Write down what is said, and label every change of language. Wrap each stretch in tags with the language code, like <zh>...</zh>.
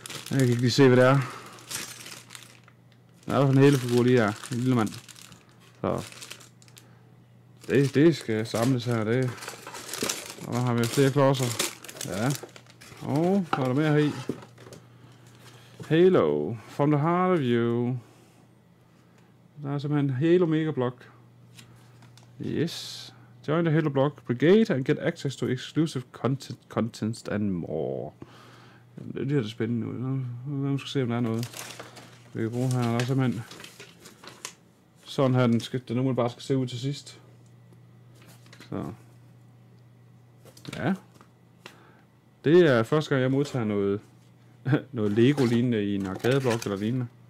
<da>jeg kan ikke lige se, hvad det er. Der er sådan en Halo-figur lige her. En lille mand. Så det skal samles her, det. Og der har vi flere klodser. Ja. Og så er der mere her i.</da> <en>Halo from the heart of you.</en> <da>Der er simpelthen Halo Mega Block. Yes.</da> <en>Join the Halo Block Brigade and get access to exclusive content and more.</en> <da>Jamen, det er det spændende ud. Nu skal vi se, om der er noget, vi kan bruge her. Der er simpelthen... Sådan her, den nu bare skal se ud til sidst. Så. Ja. Det er første gang, jeg modtager noget Lego-lignende i en arcadeblok eller lignende.</da>